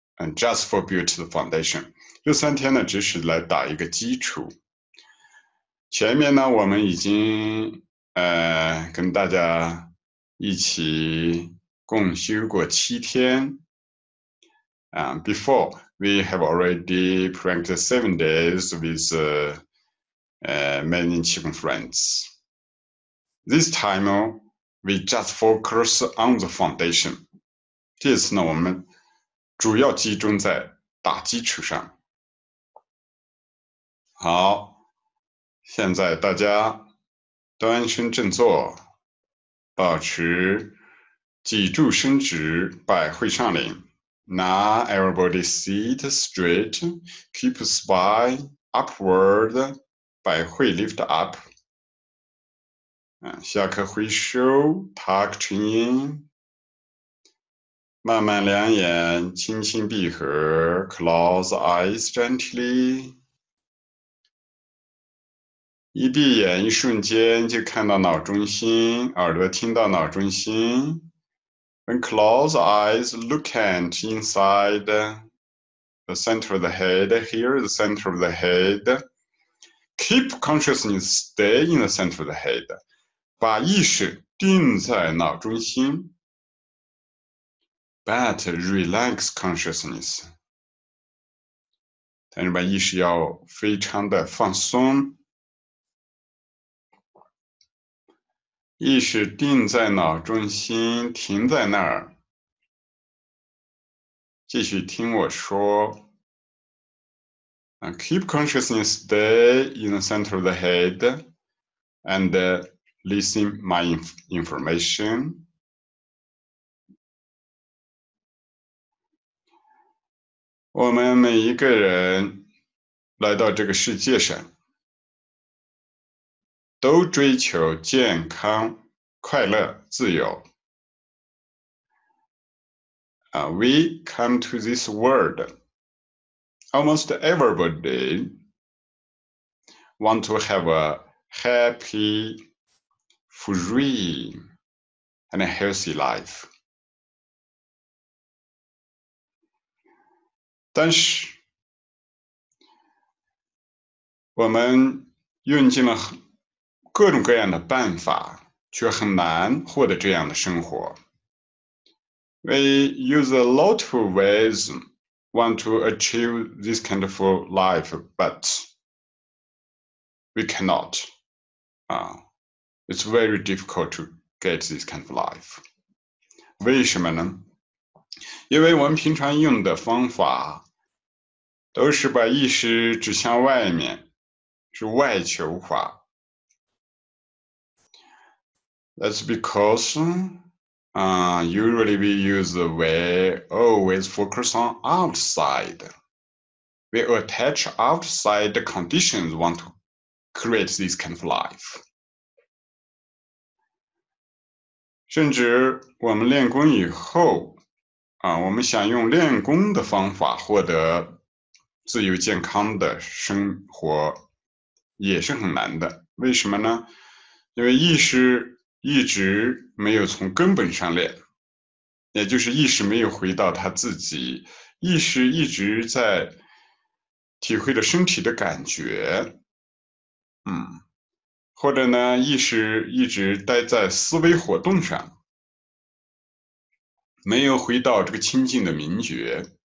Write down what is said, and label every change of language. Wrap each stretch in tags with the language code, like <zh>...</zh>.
<en>And just for build the foundation.</en> <zh>这三天呢，只是来打一个基础。前面呢，我们已经跟大家一起共修过7天。</zh> <en>Before we have already practiced 7 days with many qigong friends. This time we just focus on the foundation.</en> <zh>这次呢，我们主要集中在打基础上。好，现在大家端身正坐，保持脊柱伸直，百会上领。</zh> <en>Now everybody sit straight, keep spine upward, 百会 lift up.</en> <zh>下课回收 ,talk 成音。慢慢两眼轻轻闭合 ,</zh> <en>close eyes gently。</en> <zh>一闭眼一瞬间就看到脑中心，耳朵听到脑中心。</zh> <en>When close eyes, look at inside the center of the head, hear the center of the head. Keep consciousness, stay in the center of the head.</en> <zh>把意识定在脑中心。</zh> <en>But relax consciousness.</en> <zh>但是把意识要非常的放松。意识定在脑中心，停在那儿，继续听我说。</zh> <en>Keep consciousness stay in the center of the head and listen my information.</en> <zh>我们每一个人来到这个世界上都追求健康、快乐、自由。</zh> <en>We come to this world. Almost everybody want to have a happy, free, and healthy life.</en> <zh>但是，我们用尽了各种各样的办法，却很难获得这样的生活。</zh> <en>We use a lot of ways want to achieve this kind of life, but we cannot. It's very difficult to get this kind of life.</en> <zh>为什么呢？因为我们平常用的方法都是把意识指向外面，是外求法。</zh> <en>That's because usually we use the way always focus on outside. We attach outside the conditions want to create this kind of life.</en> <zh>甚至我们练功以后我们想用练功的方法获得自由健康的生活也是很难的。为什么呢？因为意识一直没有从根本上练，也就是意识没有回到他自己，意识一直在体会着身体的感觉，或者呢，意识一直待在思维活动上，没有回到这个清净的明觉。</zh>